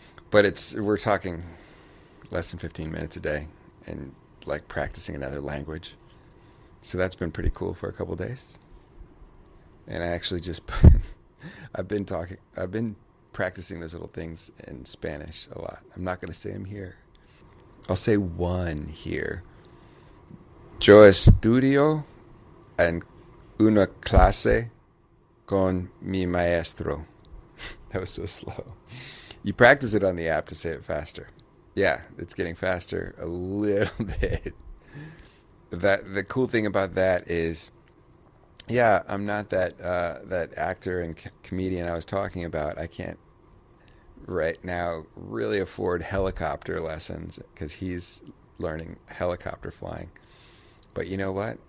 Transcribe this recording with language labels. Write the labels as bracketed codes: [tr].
[en] But we're talking less than 15 minutes a day and like practicing another language. So that's been pretty cool for a couple days. And I actually just I've been practicing those little things in Spanish a lot. I'm not going to say them here. I'll say one here. [es] Yo estudio en una clase con mi maestro. [en] That was so slow. You practice it on the app to say it faster. Yeah, it's getting faster a little bit. The cool thing about that is, yeah, I'm not that actor and comedian I was talking about. I can't right now really afford helicopter lessons because he's learning helicopter flying. But you know what?